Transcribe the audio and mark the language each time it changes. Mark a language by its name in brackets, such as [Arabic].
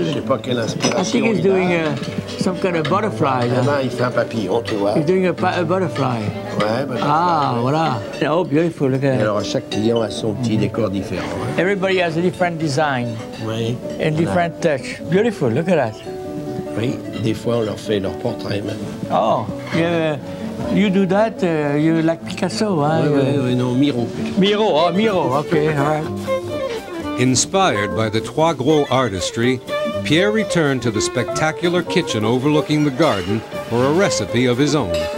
[English] I think he's doing some kind of butterfly. He's doing a butterfly. [French] Ah, voilà. [English] Oh, beautiful, look at that. Everybody has a different design and different touch. Beautiful, look at that. [French] Oui, des fois on leur fait leur portrait même. [English] Oh, you do that, you like Picasso, hein? [French] Oui, oui, oui, non, Miro. [English] Miro, oh, Miro, okay, all right. Inspired by the Trois Gros artistry, Pierre returned to the spectacular kitchen overlooking the garden for a recipe of his own.